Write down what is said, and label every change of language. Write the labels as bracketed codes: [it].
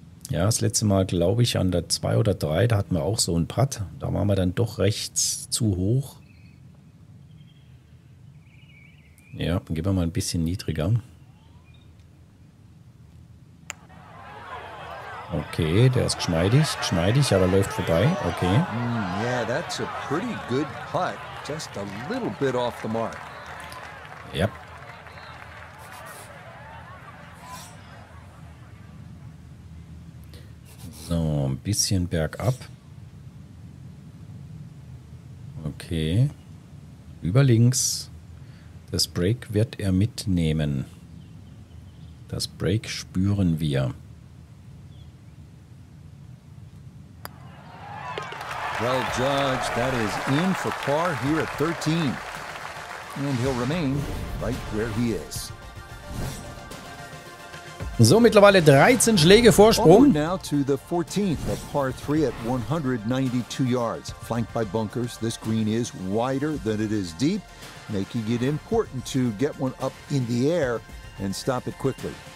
[de] Ja, das letzte Mal, glaube ich, an der 2 oder 3, da hatten wir auch so einen Putt. Da waren wir dann doch rechts zu hoch. Ja, dann gehen wir mal ein bisschen niedriger. Okay, der ist geschmeidig, aber läuft vorbei. Okay. [en] Yeah, that's a pretty good putt. Just a little bit off the mark. Yep. [de] So, ein bisschen bergab. Okay. Über links. Das Break wird er mitnehmen. Das Break spüren wir. [en] Well judged, that is in for par here at 13. And he'll remain right where he is. [de] So, mittlerweile 13 Schläge Vorsprung. [en] Forward now to the 14th, a par 3 at 192 yards. Flanked by bunkers, this green is wider than it is deep, making it important to get one up in the air and stop it quickly.